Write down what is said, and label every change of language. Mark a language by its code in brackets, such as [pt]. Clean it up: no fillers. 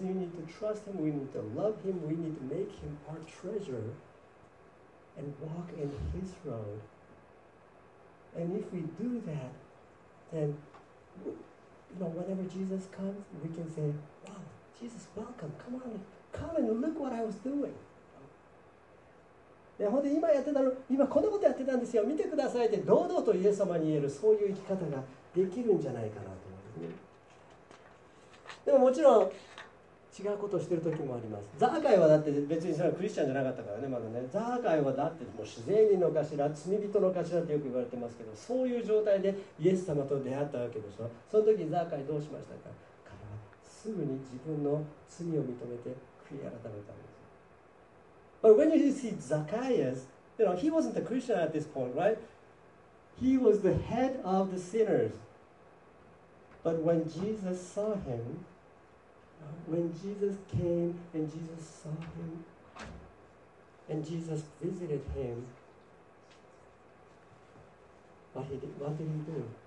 [en] We need to trust Him. We need to love Him. We need to make Him our treasure and walk in His road. And if we do that, then, you know, whenever Jesus comes, we can say, Wow, Jesus, welcome. Come on, come and look what I was doing. [ja] で、本当に今やってたの、今こんなことやってたんですよ、見てくださいって堂々とイエス様に言える、そういう生き方ができるんじゃないかなと思うんですね。でももちろん違うことをしてる時もあります。ザーカイはだって別にそれはクリスチャンじゃなかったからね、まだね。ザーカイはだってもう自然人の頭、罪人の頭ってよく言われてますけど、そういう状態でイエス様と出会ったわけでしょ。その時ザーカイどうしましたか。彼はすぐに自分の罪を認めて悔い改めたんです。 [en] But when you see Zacchaeus, you know, he wasn't a Christian at this point, right? He was the head of the sinners. But when Jesus saw him, when Jesus came and Jesus saw him, and Jesus visited him, what did he do?